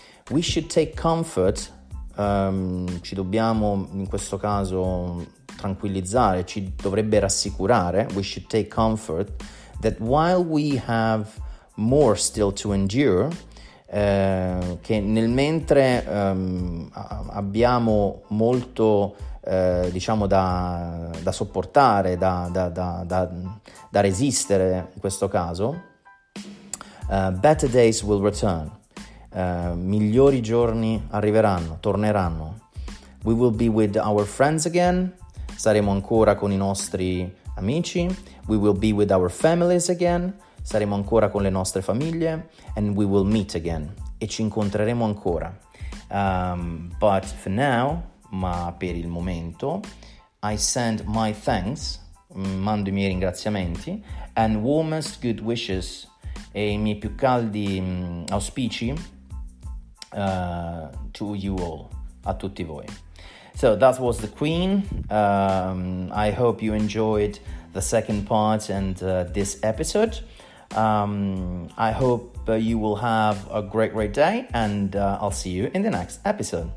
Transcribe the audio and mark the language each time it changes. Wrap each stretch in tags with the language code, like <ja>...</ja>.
<en>We should take comfort,</en> <it>ci dobbiamo in questo caso tranquillizzare, ci dovrebbe rassicurare, we should take comfort,</it> <en>that while we have more still to endure,</en> <it>che nel mentre abbiamo molto, diciamo, da sopportare, da resistere in questo caso,</it> <en>better days will return.</en> <it>Migliori giorni arriveranno, torneranno.</it> <en>We will be with our friends again.</en> <it>Saremo ancora con i nostri amici.</it> <en>We will be with our families again.</en> <it>Saremo ancora con le nostre famiglie.</it> <en>And we will meet again.</en> <it>E ci incontreremo ancora.</it> <en>But for now,</en> <it>ma per il momento,</it> <en>I send my thanks,</en> <it>mando i miei ringraziamenti,</it> <en>and warmest good wishes,</en> <it>e i miei più caldi auspici,</it> <en>to you all,</en> <it>a tutti voi.</it> <en>So that was the Queen. I hope you enjoyed the second part and this episode. I hope you will have a great day, and I'll see you in the next episode.</en>